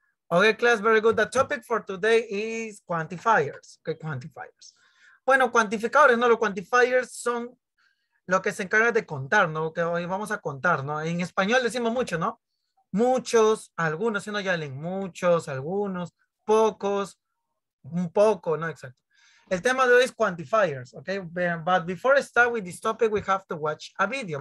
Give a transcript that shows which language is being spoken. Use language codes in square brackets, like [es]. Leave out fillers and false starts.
[en] Okay, class, very good. The topic for today is quantifiers. Okay, quantifiers. [es] Bueno, cuantificadores, no, los quantifiers son lo que se encarga de contar, ¿no? Que hoy vamos a contar, ¿no? En español decimos mucho, ¿no? Muchos, algunos, sino ya leen muchos, algunos, pocos, un poco, ¿no? Exacto. El tema de hoy es quantifiers, ¿ok? [en] But before I start with this topic, we have to watch a video.